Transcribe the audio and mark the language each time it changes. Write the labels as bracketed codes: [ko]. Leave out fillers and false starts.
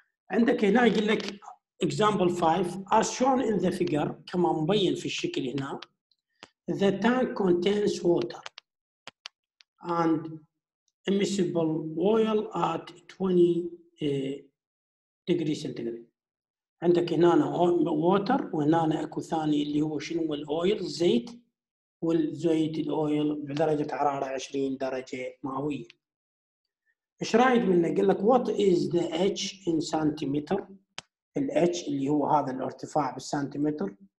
[ar] عندك هنا يقول لك [en] example 5 as shown in the figure، [ar] كما مبين في الشكل هنا. [en] The tank contains water and immiscible oil at 20 degrees centigrade. [ar] عندك هنا water وهنا اكو ثاني اللي هو شنو الاويل، زيت، والزيت الاويل بدرجه حراره 20 درجه مئويه. ايش رايد منه؟ قال لك [en] what is the h in centimeter؟ [ar] ال h اللي هو هذا الارتفاع بالسنتيمتر.